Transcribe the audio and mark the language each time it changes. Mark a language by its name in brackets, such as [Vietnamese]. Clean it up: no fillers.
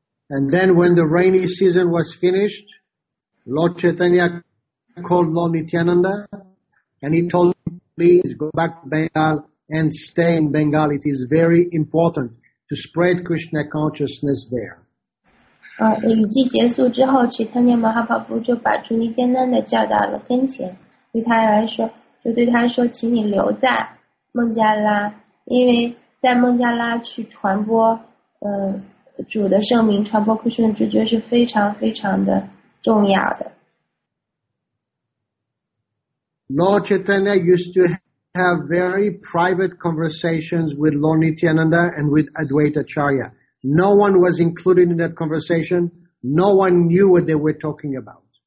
[English] And then when the rainy season was finished, Lord Chaitanya called Lord Nityananda, and he told him, please go back to Bengal and stay in Bengal. It is very important to spread Krishna consciousness there. [Chinese] 雨季结束之后，齐特涅摩哈帕布就把朱尼坚丹的叫到了跟前，对他来说，就对他说，请你留在孟加拉，因为在孟加拉去传播，主的圣名，传播库什的直觉是非常非常的重要的。 [English] Lord Chaitanya used to have very private conversations with Lord Nityananda and with Advaita Acharya. No one was included in that conversation. No one knew what they were talking about.